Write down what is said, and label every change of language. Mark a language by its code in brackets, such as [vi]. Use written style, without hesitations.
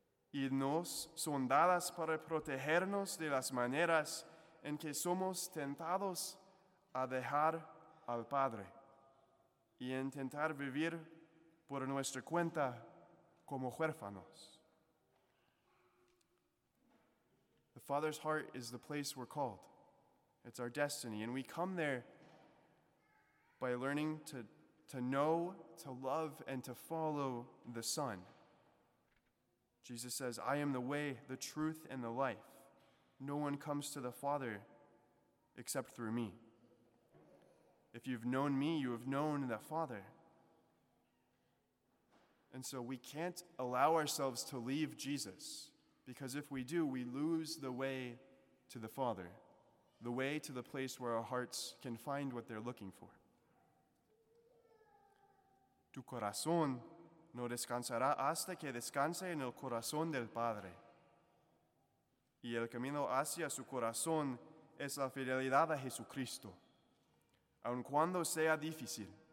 [es] y nos son dadas para protegernos de las maneras en que somos tentados a dejar al Padre y intentar vivir por nuestra cuenta como huérfanos. [en] The Father's heart is the place we're called. It's our destiny, and we come there by learning to know, to love, and to follow the Son. Jesus says, I am the way, the truth, and the life. No one comes to the Father except through me. If you've known me, you have known the Father. And so we can't allow ourselves to leave Jesus, because if we do, we lose the way to the Father, the way to the place where our hearts can find what they're looking for. [es] Tu corazón no descansará hasta que descanse en el corazón del Padre. Y el camino hacia su corazón es la fidelidad a Jesucristo, aun cuando sea difícil.